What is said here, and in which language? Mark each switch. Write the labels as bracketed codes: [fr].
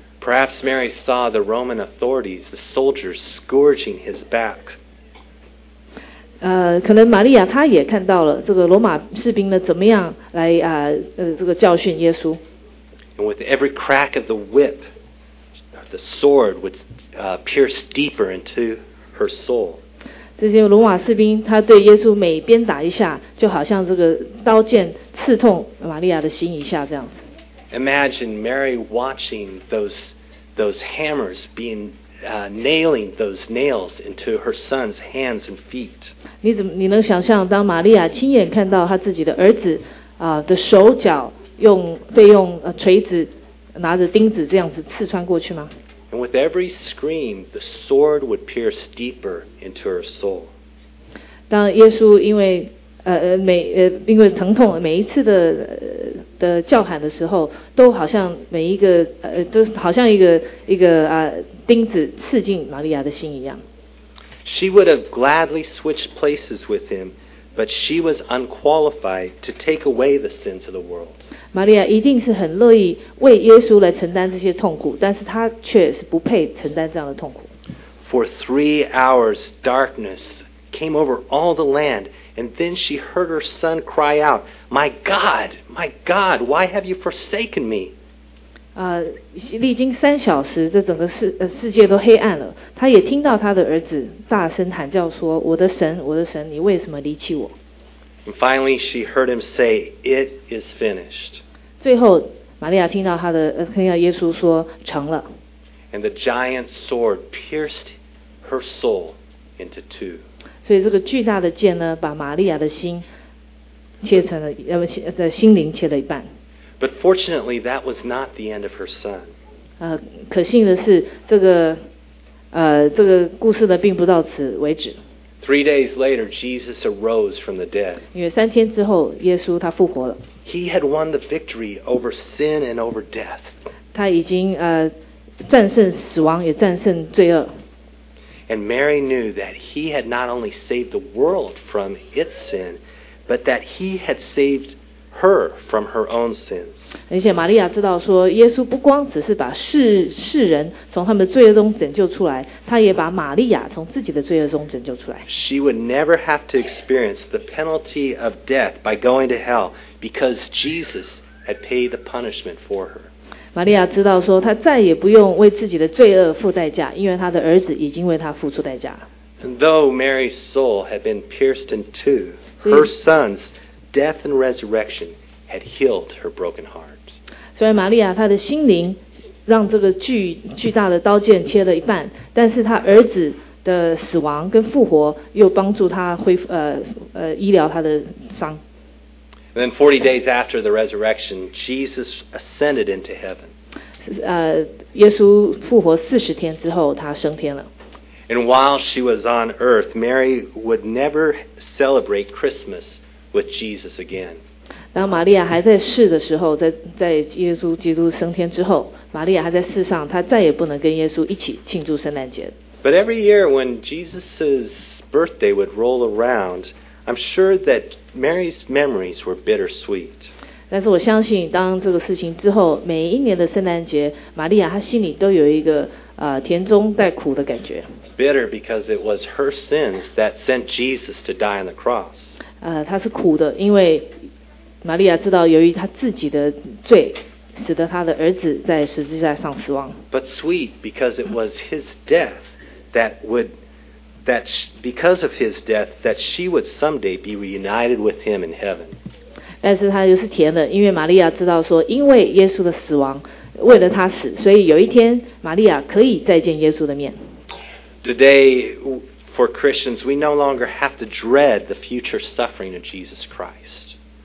[en] Perhaps Mary saw the Roman authorities, the soldiers scourging his back. [zh] 可能玛利亚她也看到了这个罗马士兵呢怎么样来这个教训耶稣。 [en] And with every crack of the whip. The sword would pierce deeper into her soul. [zh] 这些罗马士兵，他对耶稣每鞭打一下，就好像这个刀剑刺痛玛利亚的心一下这样子。 [en] Imagine Mary watching those hammers being nailing those nails into her son's hands and feet. [zh] 你能想象，当玛利亚亲眼看到他自己的儿子的手脚用锤子。拿着钉子这样子刺穿过去吗？ [en] And with every scream, the sword would pierce deeper into her soul. [zh] 当耶稣因为疼痛，每一次的叫喊的时候，都好像每一个都好像一个钉子刺进玛利亚的心一样。 [en] She would have gladly switched places with him, but she was unqualified to take away the sins of the world. [zh] 玛利亚一定是很乐意为耶稣来承担这些痛苦，但是她却是不配承担这样的痛苦。 [en] For 3 hours, darkness came over all the land, and then she heard her son cry out, "My God, my God, why have you forsaken me?" [zh] 历经三小时，这整个世界都黑暗了。她也听到她的儿子大声喊叫说：“我的神，我的神，你为什么离弃我？” [en] And finally, she heard him say, "It is finished." [zh] 最后，玛利亚听到他的，听到耶稣说成了。 [en] And the giant sword pierced her soul into two. [zh] 所以这个巨大的剑呢，把玛利亚的心切成了，的心灵切了一半。 [en] But fortunately, that was not the end of her son. [zh] 可幸的是，这个故事呢，并不到此为止。 [en] Three days later, Jesus arose from the dead. [zh] 因为三天之后，耶稣他复活了。 [en] He had won the victory over sin and over death. [zh] 他已经战胜死亡，也战胜罪恶。 [en] And Mary knew that he had not only saved the world from its sin, but that he had saved her from her own sins. [zh] 而且玛利亚知道说，耶稣不光只是把世人从他们的罪恶中拯救出来，他也把玛利亚从自己的罪恶中拯救出来。 [en] She would never have to experience the penalty of death by going to hell. Because Jesus had paid the punishment for her. [zh] 玛利亚知道说，她再也不用为自己的罪恶付代价，因为她的儿子已经为她付出代价。 [en] And though Mary's soul had been pierced in two, her son's death and resurrection had healed her broken heart. [zh] 虽然玛利亚她的心灵让这个巨大的刀剑切了一半，但是她儿子的死亡跟复活又帮助她恢复医疗她的伤。 [en] And then 40 days after the resurrection, Jesus ascended into heaven. [zh] 耶稣复活40天之后，他升天了。 [en] And while she was on earth, Mary would never celebrate Christmas with Jesus again. [zh] 当玛利亚还在世的时候，在耶稣基督升天之后，玛利亚还在世上，她再也不能跟耶稣一起庆祝圣诞节。 [en] But every year when Jesus's birthday would roll around,I'm sure that Mary's memories were bittersweet. [zh] 但是我相信，当这个事情之后，每一年的圣诞节，玛利亚她心里都有一个甜中带苦的感觉。 [en] Bitter because it was her sins that sent Jesus to die on the cross. [zh] 她是苦的，因为玛利亚知道由于她自己的罪，使得她的儿子在十字架上死亡。 [en] But sweet because it was his death that would. That because of his death, that she would someday be reunited with him in heaven. [zh] 但是她又是甜的，因为玛利亚知道说，因为耶稣的死亡，为了他死，所以有一天玛利亚可以再见耶稣的面。 [en] Today, for Christians, we no longer have to dread the future suffering of Jesus Christ.